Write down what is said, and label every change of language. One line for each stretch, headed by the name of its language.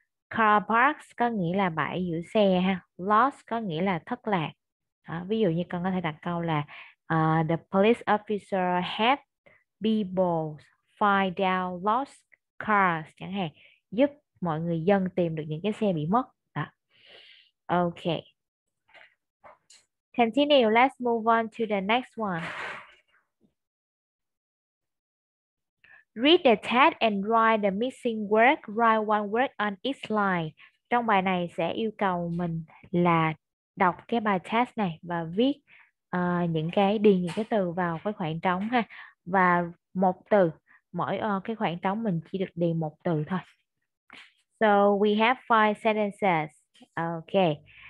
Vietnamese: Car parks có nghĩa là bãi giữ xe ha. Lost có nghĩa là thất lạc. Đó, ví dụ như con có thể đặt câu là
English: the police officer help people find out lost cars
Vietnamese: chẳng hạn, giúp mọi người dân tìm được những cái xe bị mất. Đó. Ok.
English: Continue, let's move on to the next one. Read the text and write the missing word. Write one word on each line.
Vietnamese: Trong bài này sẽ yêu cầu mình là đọc cái bài test này và viết những cái điền những cái từ vào cái khoảng trống ha. Và một từ mỗi cái khoảng trống mình chỉ được điền một từ thôi.
English: So we have five sentences. Okay.